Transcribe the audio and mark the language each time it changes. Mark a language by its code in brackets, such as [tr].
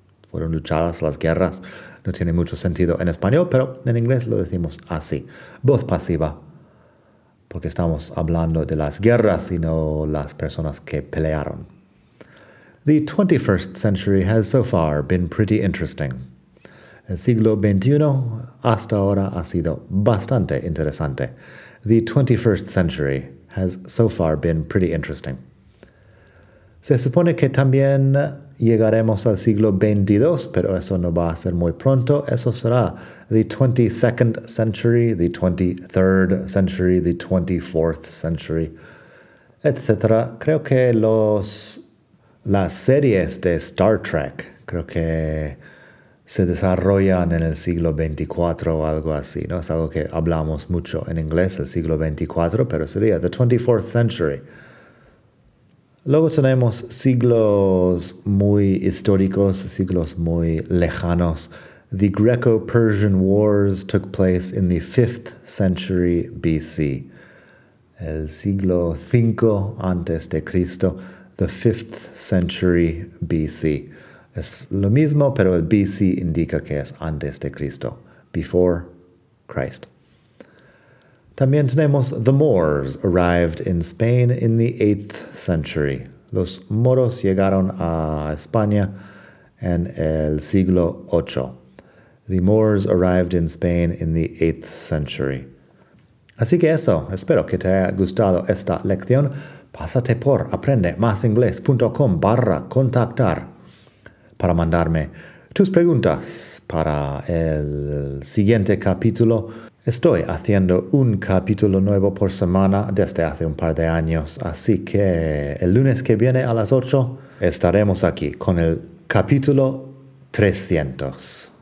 [es] Fueron luchadas las guerras. No tiene mucho sentido en español, pero en inglés lo decimos así. Voz pasiva. Porque estamos hablando de las guerras y no las personas que pelearon. [en] The 21st century has so far been pretty interesting. [es] El siglo XXI hasta ahora ha sido bastante interesante. [en] The 21st century has so far been pretty interesting. [es] Se supone que también llegaremos al siglo XXII, pero eso no va a ser muy pronto. Eso será [en] the 22nd century, the 23rd century, the 24th century, etc. [es] Creo que las series de Star Trek creo que se desarrollan en el siglo XXIV o algo así, ¿no? Es algo que hablamos mucho en inglés, el siglo XXIV, pero sería [en] the 24th century. [es] Luego tenemos siglos muy históricos, siglos muy lejanos. [en] The Greco-Persian Wars took place in the 5th century BC. [es] El siglo V antes de Cristo, [en] the 5th century BC. [es] Es lo mismo, pero el BC indica que es antes de Cristo, [en] before Christ. [es] También tenemos [en] the Moors arrived in Spain in the 8th century. [es] Los moros llegaron a España en el siglo VIII. [en] The Moors arrived in Spain in the 8th century. [es] Así que eso, espero que te haya gustado esta lección. Pásate por aprendemasingles.com/contactar para mandarme tus preguntas para el siguiente capítulo. Estoy haciendo un capítulo nuevo por semana desde hace un par de años, así que el lunes que viene a las 8 estaremos aquí con el capítulo 300.